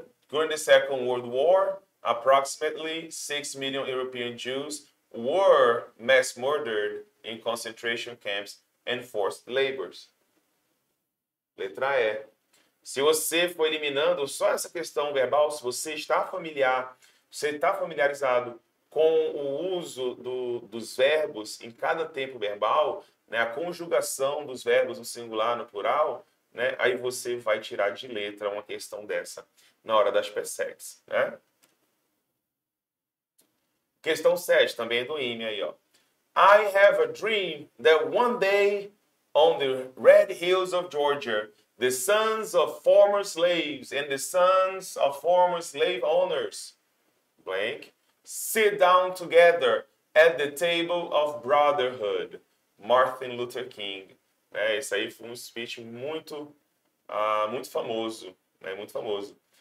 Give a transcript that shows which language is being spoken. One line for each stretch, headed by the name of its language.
English: During the Second World War, approximately 6 million European Jews were mass murdered in concentration camps and forced labors.
Portuguese: Letra E. Se você for eliminando só essa questão verbal, se você está familiar, você está familiarizado com o uso dos verbos em cada tempo verbal, né, a conjugação dos verbos no singular, no plural, né, aí você vai tirar de letra uma questão dessa na hora das PSETs, né? Questão 7, também é do IME aí, ó.
English: I have a dream that one day on the red hills of Georgia, the sons of former slaves and the sons of former slave owners, blank, sit down together at the table of brotherhood, Martin Luther King.
Portuguese: É, esse aí foi um speech muito, muito famoso, né? Muito famoso.